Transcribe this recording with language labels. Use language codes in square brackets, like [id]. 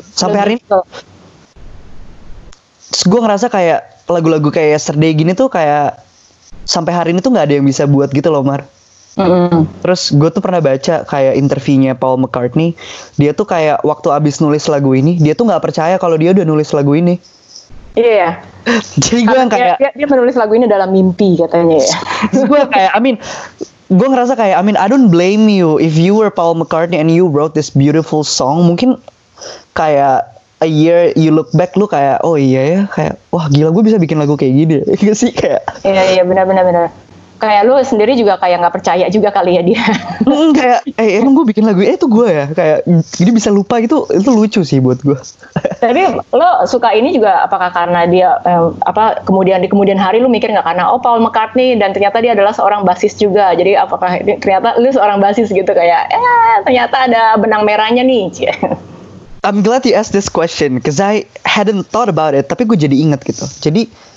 [id] Sampai hari ini gue ngerasa kayak lagu-lagu kayak Yesterday gini tuh kayak sampai hari ini tuh gak ada yang bisa buat gitu loh, Mar. Terus gue tuh pernah baca kayak interviewnya Paul McCartney. Dia tuh kayak waktu abis nulis lagu ini, dia tuh gak percaya kalau dia udah nulis lagu ini. Iya ya. Jadi gue yang kayak dia menulis lagu ini dalam mimpi katanya ya. Gue kayak, gue ngerasa kayak, [en] I don't blame you if you were Paul McCartney and you wrote this beautiful song. [id] Mungkin kayak [en] a year you look back, [id] lu kayak, oh iya ya, kayak, wah gila gue bisa bikin lagu kayak gini, gak sih kayak. Iya, benar. Kayak lu sendiri juga kayak gak percaya juga kali ya dia. Kayak, emang gue bikin lagu, itu gue ya, kayak, jadi bisa lupa gitu, itu lucu sih buat gue. Tapi lu suka ini juga, apakah karena dia, kemudian di kemudian hari lu mikir gak karena, oh Paul McCartney, dan ternyata dia adalah seorang bassist juga, jadi apakah, ternyata lu seorang bassist gitu, kayak, ternyata ada benang merahnya nih. [en] I'm glad you asked this question, because I hadn't thought about it, [id] tapi gue jadi ingat gitu. Jadi,